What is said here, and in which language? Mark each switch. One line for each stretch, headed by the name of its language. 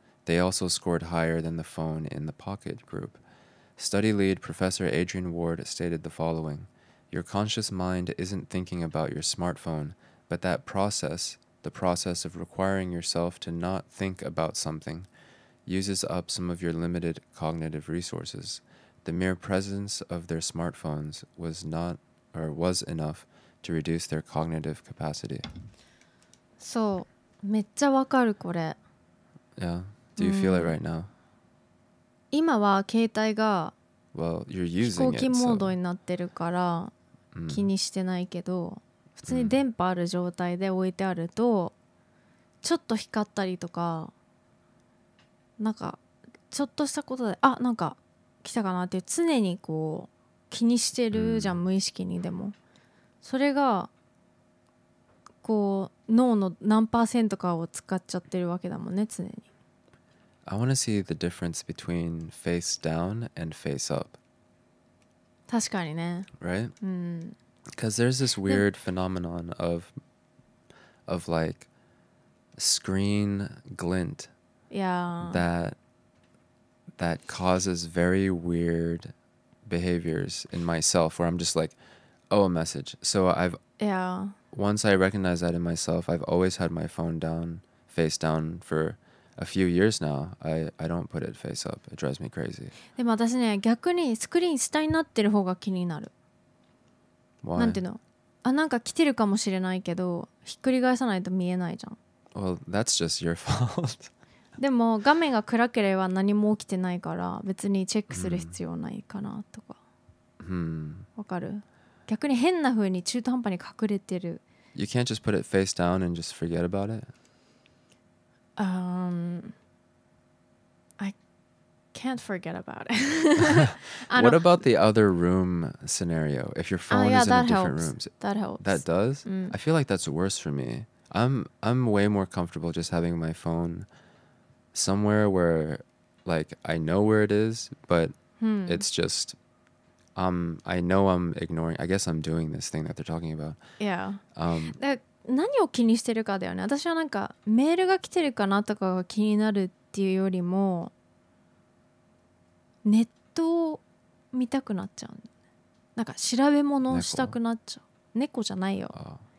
English: They also scored higher than the phone in the pocket group. Study lead Professor Adrian Ward stated the following: Your conscious mind isn't thinking about your smartphone, but that process, the process of requiring yourself to not think about something, uses up some of your limited cognitive resources. The mere presence of their smartphones was enough to reduce their cognitive capacity.
Japanese: そう、めっちゃわかるこれ。
English: Yeah. Do you feel it right now?
Japanese: 今は携帯が飛行機モードになってるから気にしてないけど、普通に電波ある状態で置いてあるとちょっと光ったりとか、なんかちょっとしたことであ、なんか来たかなって常にこう気にしてるじゃん、無意識に。でもそれがこう脳の何パーセントかを使っちゃってるわけだもんね、常に。
English: I want to see the difference between face down and face up.
Japanese: 確かにね。
English: Right? Because there's this weird phenomenon of like screen glint. Yeah. That causes very weird behaviors in myself where I'm just like, oh, a message. So I've... Yeah. Once I recognize that in myself, I've always had my phone down, face down for a few years now. I don't put it face up. It drives me crazy.
Japanese: でも私ね、逆にスクリーン下になってる方が気になる。
English: Why?
Japanese: なんていうの？あ、なんか来てるかもしれないけど、ひっくり返さないと見えないじゃん。
English: Well, that's just your fault.
Japanese: でも画面が暗ければ何も起きてないから別にチェックする必要ないかなとか。わかる？逆に変な風に中途半端に隠れてる。
English: You can't just put it face down and just forget about it? I can't forget about it. What about the other room scenario? If your phone is in different rooms. That helps. That does? I feel like that's worse for me. I'm way more comfortable just having my phone somewhere where, like, I know where it is, but it's just, I know I'm ignoring. I guess I'm doing this thing that they're talking about. Yeah.
Japanese: 何を気にしてるかだよね。私はなんかメールが来てるかなとかが気になるっていうよりも、ネットを見たくなっちゃう。なんか調べ物をしたくなっちゃう。猫じゃないよ。